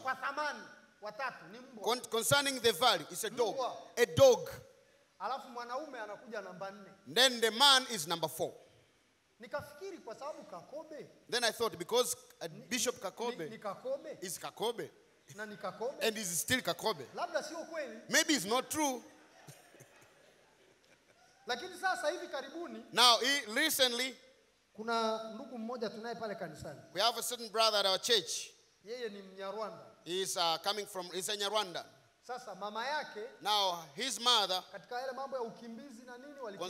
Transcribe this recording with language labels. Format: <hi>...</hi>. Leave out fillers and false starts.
<sw>kwa thamani, wa tatu ni mbwa.</sw> <en>Concerning the value, it's a dog. A dog.</en> <sw>Alafu mwanaume anakuja namba 4.</sw> <en>Then the man is number 4.</en> <sw>Nikafikiri kwa sababu Kakobe.</sw> <en>Then I thought because Bishop Kakobe,</en> <sw>ni Kakobe.</sw> <en>Is Kakobe.</en> <sw>Na ni Kakobe.</sw> <en>And is still Kakobe.</en> <sw>Labda sio kweli.</sw> <en>Maybe it's not true.</en> <sw>Lakini sasa hivi karibuni.</sw> <en>Now, recently,</en> <sw>kuna ndugu mmoja tunaye pale kanisani.</sw> <en>We have a certain brother at our church.</en> <sw>Yeye ni Mnyarwanda.</sw> <en>He's coming from, he's a Nyarwandan.</en> <sw>Sasa mama yake,</sw> <en>now his mother,</en> <sw>katika yale mambo ya ukimbizi na nini walikuwa,</sw>